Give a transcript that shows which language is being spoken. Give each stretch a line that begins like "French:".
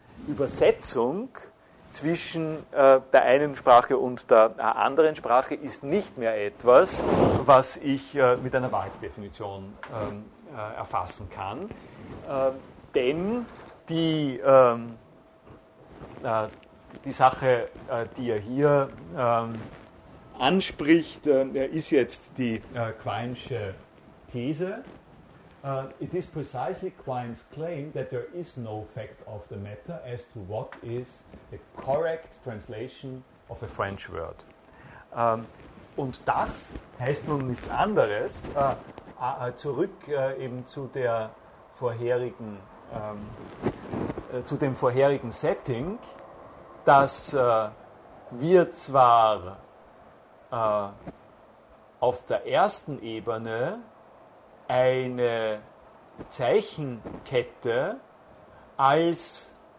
German: Übersetzung zwischen der einen Sprache und der anderen Sprache ist nicht mehr etwas, was ich mit einer Wahrheitsdefinition erfassen kann, denn die Sache, die er hier anspricht, ist jetzt die Quine'sche These.
English: It is precisely Quine's claim that there is no fact of the matter as to what is the correct translation of a French word.
German: Und das heißt nun nichts anderes, zurück eben zu dem vorherigen Setting, dass wir zwar auf der ersten Ebene eine Zeichenkette als